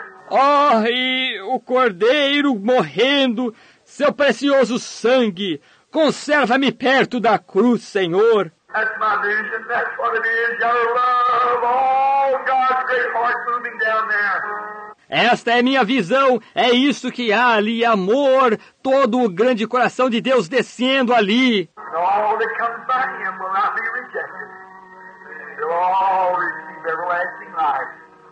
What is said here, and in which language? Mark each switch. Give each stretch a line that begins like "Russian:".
Portuguese: Oh, e o cordeiro morrendo, seu precioso sangue, conserva-me perto da cruz, Senhor.
English: That's my vision, that's what it is, your love, all God's great heart moving down there.
Portuguese: Esta é minha visão, é isso que há ali, amor, todo o grande coração de Deus descendo ali.
English: All that comes by him will not be rejected. They'll all receive everlasting life.